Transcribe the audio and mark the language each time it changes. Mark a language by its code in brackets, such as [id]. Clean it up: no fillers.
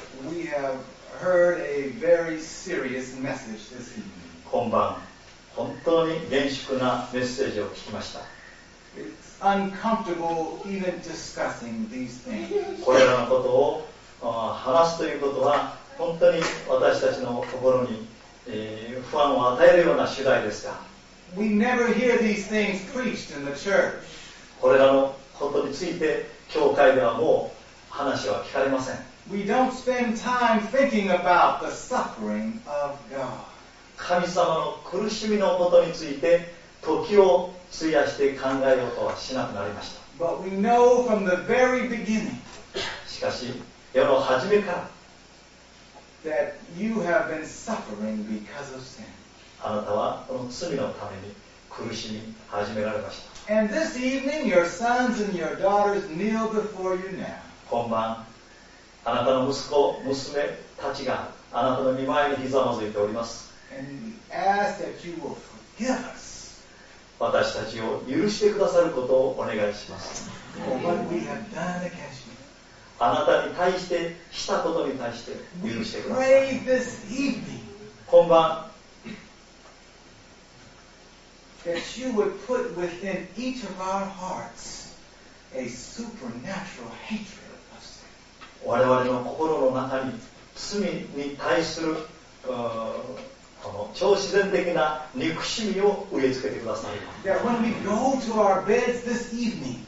[en] We have heard a very serious message this evening. [ja] 今晩、本当に厳粛なメッセージを聞きました。 [en] It's uncomfortable even discussing these things. [ja] これらのことを話すということは、本当に私たちの心に不安を与えるような主題ですが。 [en] We never hear these things preached in the church. [ja] これらのことについて、教会ではもう話は聞かれません。 [en] We don't spend time thinking about the suffering of God. [ja] 神様の苦しみのことについて、時を費やして考えようとはしなくなりました。 [en] But we know from the very beginning, [ja] しかし、世の初めから、 [en] that you have been suffering because of sin. [ja] あなたはこの罪のために苦しみ始められました。 [en] And this evening, your sons and your daughters kneel before you now. [ja] 今晩、あなたの息子、娘たちがあなたの御前にひざまずいております。 [en] And we ask that you will forgive us. [ja] 私たちを許してくださることをお願いします。 [en] What we have done against you. [ja] あなたに対してしたことに対して許してください。 [en] We pray this evening. [ja] 今晩、 [en] that you would put within each of our hearts a supernatural hatred of sin. [ja] 我々の心の中に罪に対する、この超自然的な憎しみを植え付けてください。 [en] That when we go to our beds this evening,